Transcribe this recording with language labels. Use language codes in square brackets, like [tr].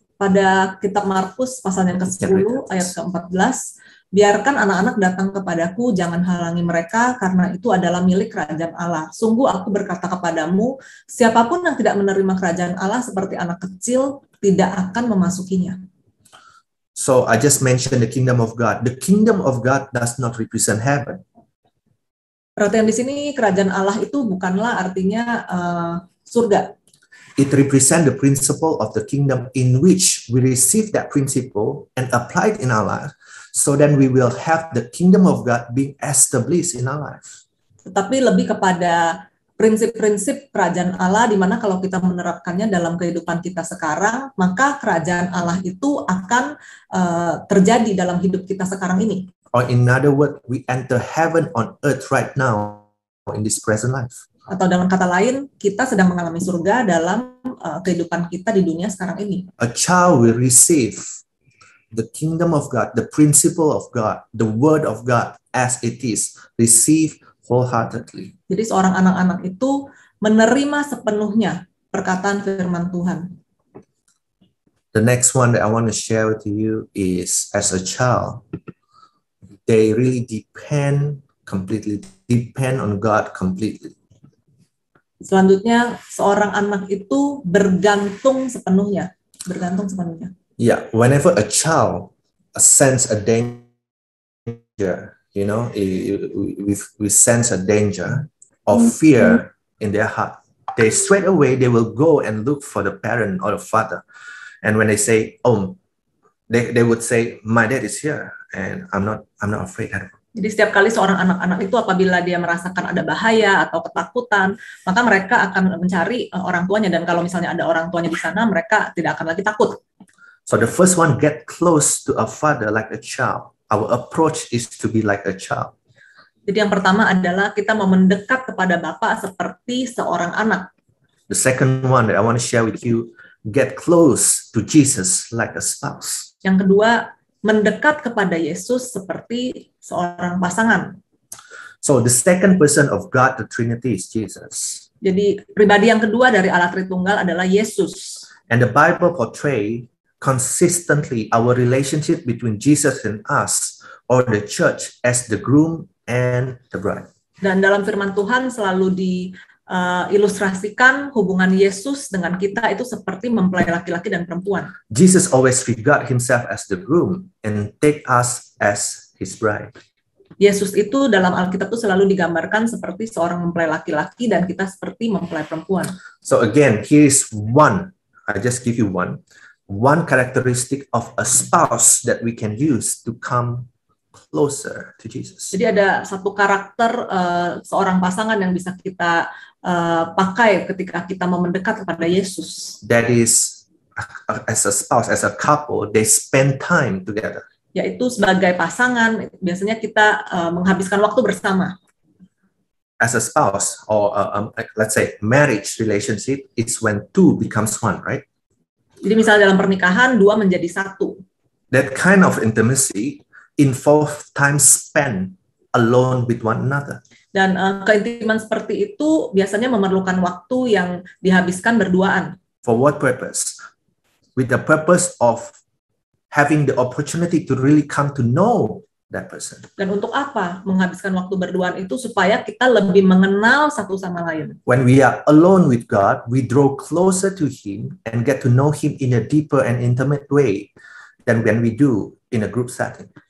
[id] Pada kitab Markus pasal yang ke-10 ayat ke-14, biarkan anak-anak datang kepadaku, jangan halangi mereka, karena itu adalah milik kerajaan Allah. Sungguh aku berkata kepadamu, siapapun yang tidak menerima kerajaan Allah seperti anak kecil tidak akan memasukinya. [en] So I just mentioned the kingdom of God. The kingdom of God does not represent heaven. [id] Perhatian di sini, kerajaan Allah itu bukanlah artinya surga. [en] It represents the principle of the kingdom in which we receive that principle and apply it in our life, so then we will have the kingdom of God being established in our life. [id] Tetapi lebih kepada prinsip-prinsip kerajaan Allah, di mana kalau kita menerapkannya dalam kehidupan kita sekarang, maka kerajaan Allah itu akan terjadi dalam hidup kita sekarang ini. [en] Or in other words, we enter heaven on earth right now in this present life. [id] Atau dalam kata lain, kita sedang mengalami surga dalam kehidupan kita di dunia sekarang ini. [en] A child will receive the kingdom of God, the principle of God, the word of God as it is, receive wholeheartedly. [id] Jadi seorang anak-anak itu menerima sepenuhnya perkataan firman Tuhan. [en] The next one that I want to share with you is, as a child, they really depend on God completely. [id] Selanjutnya, seorang anak itu bergantung sepenuhnya. [en] Yeah, whenever a child sense a danger, you know, we sense a danger or fear in their heart, they straight away they will go and look for the parent or the father, and when they say, oh, they would say, my dad is here and I'm not afraid at all. [id] Jadi setiap kali seorang anak-anak itu apabila dia merasakan ada bahaya atau ketakutan, maka mereka akan mencari orang tuanya, dan kalau misalnya ada orang tuanya di sana, mereka tidak akan lagi takut. [en] So the first one, get close to a father like a child. Our approach is to be like a child. [id] Jadi yang pertama adalah kita mau mendekat kepada Bapak seperti seorang anak. [en] The second one that I want to share with you, get close to Jesus like a spouse. [id] Yang kedua, mendekat kepada Yesus seperti seorang pasangan. [en] So the second person of God, the Trinity, is Jesus. [id] Jadi pribadi yang kedua dari Allah Tritunggal adalah Yesus. [en] And the Bible portray consistently our relationship between Jesus and us or the church as the groom and the bride. [id] Dan dalam firman Tuhan selalu diilustrasikan hubungan Yesus dengan kita itu seperti mempelai laki-laki dan perempuan. [en] Jesus always regard himself as the groom and take us as his bride. [id] Yesus itu dalam Alkitab itu selalu digambarkan seperti seorang mempelai laki-laki dan kita seperti mempelai perempuan. [en] So again, here is one. I just give you one. One characteristic of a spouse that we can use to come closer to Jesus. [id] Jadi ada satu karakter seorang pasangan yang bisa kita pakai ketika kita mau mendekat kepada Yesus. [en] That is, as a spouse, as a couple, they spend time together. [id] Yaitu sebagai pasangan, biasanya kita menghabiskan waktu bersama. [en] As a spouse, or let's say marriage relationship, it's when two becomes one, right? [id] Jadi misalnya dalam pernikahan, dua menjadi satu. [en] That kind of intimacy involve time spent alone with one another. [id] Dan keintiman seperti itu biasanya memerlukan waktu yang dihabiskan berduaan. [en] For what purpose? With the purpose of having the opportunity to really come to know that person. [id] Dan untuk apa menghabiskan waktu berduaan itu? Supaya kita lebih mengenal satu sama lain. [en] When we are alone with God, we draw closer to him and get to know him in a deeper and intimate way than when we do in a group setting.